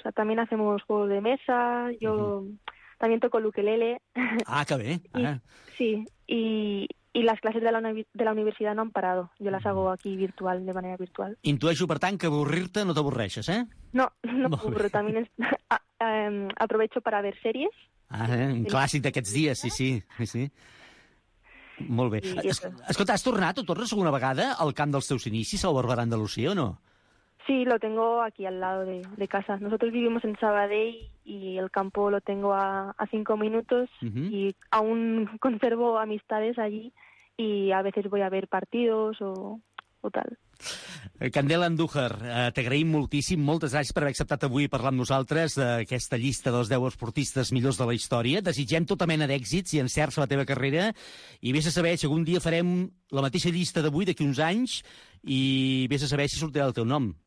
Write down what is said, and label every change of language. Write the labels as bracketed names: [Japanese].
[Spanish] También hacemos juegos de mesa, yo también toco el ukelele. Ah, qué bien. Sí, y las clases de la universidad no han parado. Yo las hago aquí virtual, de manera virtual. [Catalan] Intueixo, per tant, que avorrir-te no t'avorreixes, ¿eh? No m'avorro. [Spanish] También aprovecho para ver series. [Catalan] Ah, un clàssic d'aquests dies, sí. Molt bé. Escolta, has tornat o tornes alguna vegada al camp dels teus inicis, al Barberà d'Andalusia, o no? [Spanish] Sí, lo tengo aquí al lado de casa. Nosotros vivimos en Sabadell y el campo lo tengo a 5 minutos. Uh-huh. Y aún conservo amistades allí y a veces voy a ver partidos o tal. [Catalan] Candela Andújar, t'agraïm moltíssim, moltes gràcies per haver acceptat avui parlar amb nosaltres d'aquesta llista dels 10 esportistes millors de la història. Desitgem tota mena d'èxits i encerts a la teva carrera, i vés a saber si algun dia farem la mateixa llista d'avui d'aquí uns anys, i vés a saber si sortirà el teu nom.